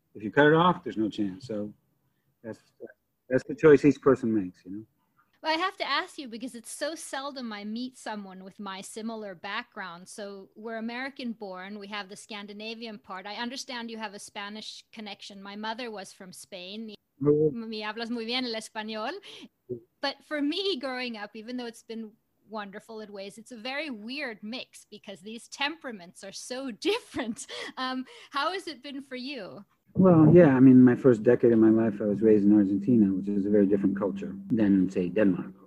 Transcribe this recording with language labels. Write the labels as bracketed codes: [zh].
[en] If you cut it off, there's no chance. So that's the choice each person makes, you know? Well, I have to ask you, because it's so seldom I meet someone with my similar background. So we're American born. We have the Scandinavian part. I understand you have a Spanish connection. My mother was from Spain. [es] Me hablas muy bien el español. [en] But for me growing up, even though it's been wonderful in ways, it's a very weird mix because these temperaments are so different. How has it been for you? Well, yeah, I mean, my first decade of my life, I was raised in Argentina, which is a very different culture than, say, Denmark.